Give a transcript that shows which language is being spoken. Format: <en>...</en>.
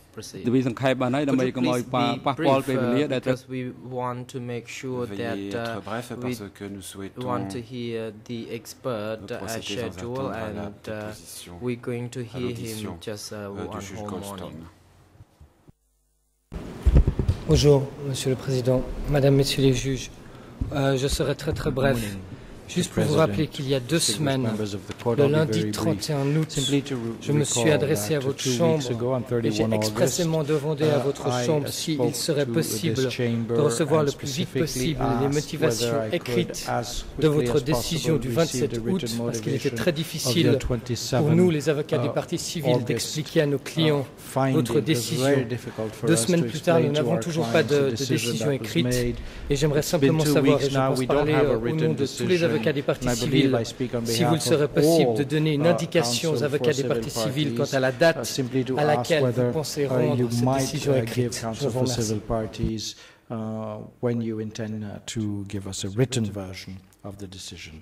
<en>Could you please be brief, because we want to make sure that we want to hear the expert as scheduled, and we're going to hear him just one whole morning.</en> <fr>Bonjour, Monsieur le Président, Madame, Messieurs les Juges. Je serai très très bref. Juste pour vous rappeler qu'il y a deux semaines, le lundi 31 août, je me suis adressé à votre chambre et j'ai expressément demandé à votre chambre s'il serait possible de recevoir le plus vite possible les motivations écrites de votre décision du 27 août, parce qu'il était très difficile pour nous, les avocats des parties civiles, d'expliquer à nos clients votre décision. Deux semaines plus tard, nous n'avons toujours pas de décision écrite et j'aimerais simplement savoir, et je pense parler au nom de tous les avocats des parties civiles, si vous le serait possible de donner une indication aux avocats des parties civiles quant à la date à laquelle vous pensez rendre cette décision écrite. Je vous remercie.</fr> <en>When you intend to give us a written version of the decision.</en>